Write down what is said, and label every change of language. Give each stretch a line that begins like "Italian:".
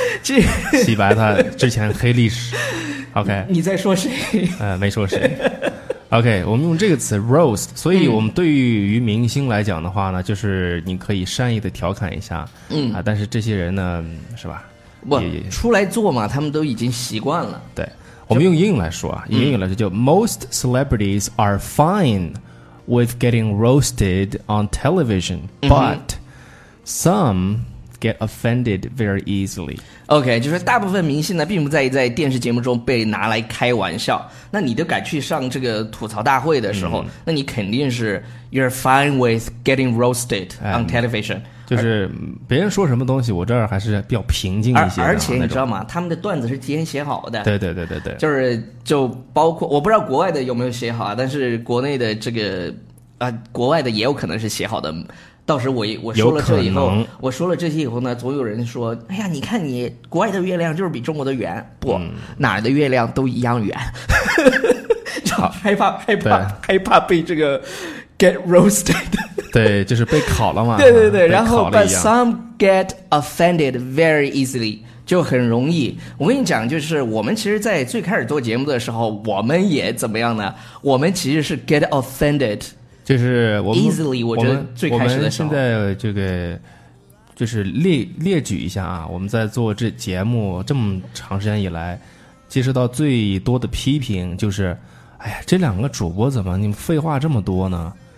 Chinese: 是吧？洗白他之前黑历史。OK，你在说谁？没说谁。 OK， 我们用这个词 roast， 所以我们对于明星来讲的话呢，就是你可以善意的调侃一下，但是这些人呢，是吧？不出来做嘛，他们都已经习惯了。对，我们用英语来说啊，英语来说就
English: most celebrities are fine with getting roasted on television， but some get offended very easily。
Chinese: OK， 就是大部分明星呢并不在意在电视节目中被拿来开玩笑，那你都敢去上这个吐槽大会的时候，那你肯定是
English: you're fine with getting roasted on television，
Chinese: 就是别人说什么东西我这儿还是比较平静一些。而且你知道吗，他们的段子是提前写好的。对对对对对，就是就包括我不知道国外的有没有写好啊，但是国内的这个国外的也有可能是写好的。到时我说了这以后，我说了这些以后呢，总有人说，哎呀，你看你国外的月亮就是比中国的圆，不，哪儿的月亮都一样圆。害怕被这个
English: get roasted。
Chinese: 对，就是被烤了嘛。对对对，然后
English: but some get offended very easily，
Chinese: 就很容易。我跟你讲，就是我们其实在最开始做节目的时候，我们也怎么样呢？我们其实是
English: get offended。
Chinese: 就是我们 easily， 我觉得最开始的时候，我们现在这个就是列举一下啊，我们在做这节目这么长时间以来，接受到最多的批评就是，哎呀，这两个主播怎么你们废话这么多呢？